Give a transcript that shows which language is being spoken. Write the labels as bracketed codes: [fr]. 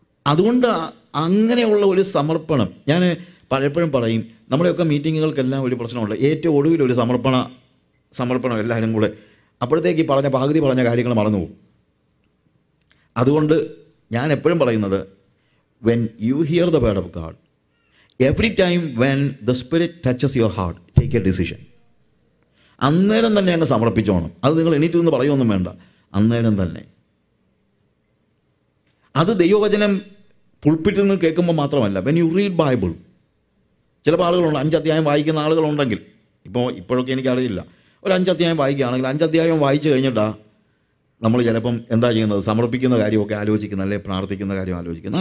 [ml] അതുകൊണ്ട് അങ്ങനെയുള്ള ഒരു സമർപ്പണം, ഞാൻ പലപ്പോഴും പറയും, നമ്മുടെയൊക്കെ മീറ്റിങ്ങുകൾക്കെല്ലാം ഒരു പ്രശ്നമുണ്ട്, ഏറ്റവും ഒടുവിൽ ഒരു സമർപ്പണം എല്ലാവരും കൂടെ, അപ്പോഴത്തേക്ക് ഈ പറഞ്ഞ പകുതി പറഞ്ഞ കാര്യങ്ങൾ മറന്നുപോകും. അതുകൊണ്ട് ഞാൻ എപ്പോഴും പറയുന്നത്, [en] when you hear the word of God, every time when the spirit touches your heart, take a decision. [ml] അന്നേരം തന്നെ അങ്ങ് സമർപ്പിച്ചോണം. അത് നിങ്ങൾ എണീറ്റ് നിന്ന് പറയുമൊന്നും വേണ്ട, അന്നേരം തന്നെ. അത് ദൈവവചനം പുൾപ്പിറ്റിൽ നിന്ന് കേൾക്കുമ്പോൾ മാത്രമല്ല, [en] when you read Bible, [ml] ചിലപ്പോൾ ആളുകളുണ്ട് അഞ്ചധ്യായം വായിക്കുന്ന ആളുകളുണ്ടെങ്കിൽ, ഇപ്പോഴൊക്കെ എനിക്കറിയില്ല, ഒരു അഞ്ചധ്യായം വായിക്കുകയാണെങ്കിൽ, അഞ്ചധ്യായം വായിച്ചു കഴിഞ്ഞിട്ടാ നമ്മൾ ചിലപ്പം എന്താ ചെയ്യുന്നത്, സമർപ്പിക്കുന്ന കാര്യമൊക്കെ ആലോചിക്കുന്ന, അല്ലെ പ്രാർത്ഥിക്കുന്ന കാര്യം ആലോചിക്കുന്ന.